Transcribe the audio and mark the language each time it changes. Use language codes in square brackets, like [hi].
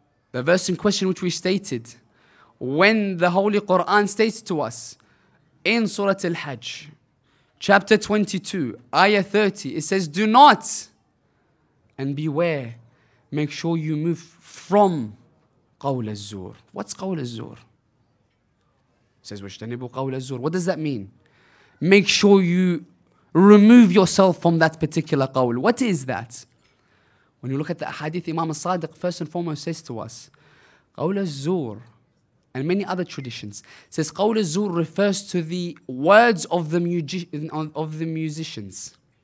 [en] The verse in question which we stated, when the Holy Quran states to us, in Surah Al-Hajj, chapter 22, ayah 30, it says, do not, and beware, make sure you move from قول الزور. [ar] What's قول الزور? It says, واجتنبوا قول الزور. [en] What does that mean? Make sure you remove yourself from that particular qawl. What is that? When you look at the hadith, Imam al-Sadiq first and foremost says to us, qawl al-zur, and many other traditions, says qawl al-zur refers to the words of the musicians.